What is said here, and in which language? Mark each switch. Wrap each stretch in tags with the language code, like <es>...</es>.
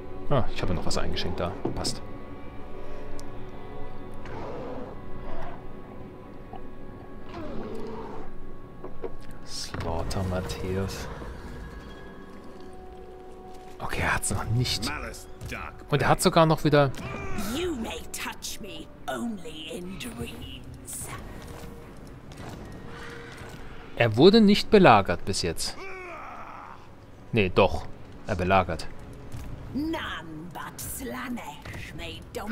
<de>Ah, ich habe noch was eingeschenkt da. Passt. Slaughter Matthäus. Okay, er hat es noch nicht. Und er hat sogar noch wieder.</de> <en>You may touch me only in dreams.</en> <de>Er wurde nicht belagert bis jetzt. Nee, doch. Er belagert.</de> <en>None but Slaanesh may dominate.</en>